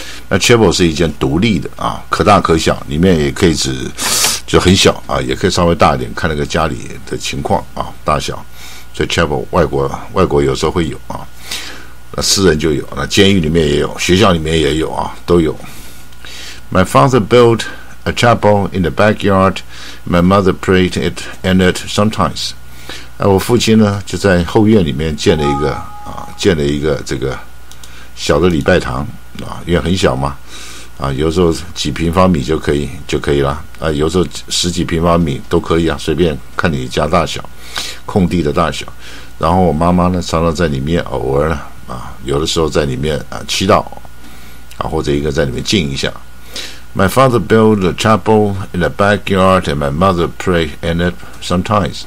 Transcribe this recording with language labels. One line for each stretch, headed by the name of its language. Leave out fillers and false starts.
Chinese: 那 chapel 是一间独立的啊，可大可小，里面也可以只。就很小啊，也可以稍微大一点，看那个家里的情况啊，大小。所以 chapel 外国有时候会有啊，那私人就有，那监狱里面也有，学校里面也有啊，都有。
English: My father built a chapel in the backyard. My mother prayed it and it sometimes.
Chinese: 啊，我父亲呢就在后院里面建了一个啊，建了一个这个小的礼拜堂啊，因为很小嘛。啊，有时候几平方米就可以了啊，有时候十几平方米都可以啊，随便看你家大小，空地的大小。然后我妈妈呢，常常在里面偶尔呢啊，有的时候在里面啊祈祷啊，或者一个在里面静一下。
English: My father built a chapel in the backyard, and my mother prayed in it sometimes.